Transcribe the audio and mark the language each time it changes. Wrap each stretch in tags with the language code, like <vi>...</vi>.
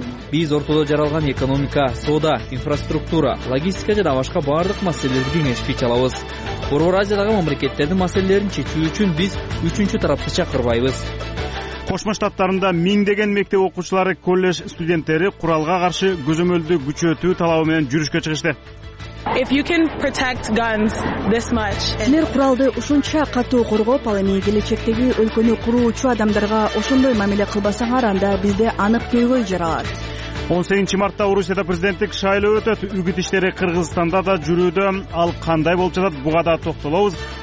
<ky>Биз ортодо жаралган экономика, соода, инфраструктура, логистика жана башка бардык маселелерди кеңешип иче алабыз. Борбор Азиядагы мамлекеттердин маселелерин чечүү үчүн биз үчүнчү тарапты чакырбайбыз. Кошмо Штаттарында миңдеген мектеп окуучулары, коллеж студенттери куралга каршы көзөмөлдү күчөтүү талабы менен жүрүшкө чыгышты.</ky> <en>If you can protect guns this much.</en> <ky>Силер куралды ушунча катуу коргоп, ал эми келечектеги өлкөнү куруучу адамдарга ошондой мамиле кылбасаңар, анда бизде анык көйгөй жаралат. 18 мартта Орусияда президенттик шайлоо өтөт. Үгүт иштери Кыргызстанда да жүрүүдө. Ал кандай болуп жатат? Буга да токтолобуз.</ky>